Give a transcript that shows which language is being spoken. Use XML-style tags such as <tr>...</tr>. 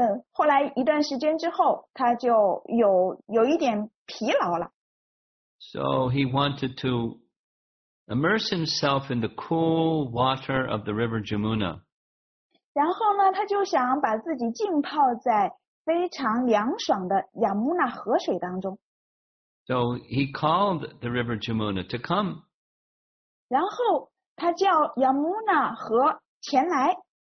<zh>后来一段时间之后，他就有一点疲劳了。</zh> <en>So he wanted to immerse himself in the cool water of the river Jamuna.</en> <zh>然后呢，他就想把自己浸泡在非常凉爽的雅穆纳河水当中。</zh> <en>So he called the river Jamuna to come.</en> <zh>然后他叫雅穆纳河前来。</zh>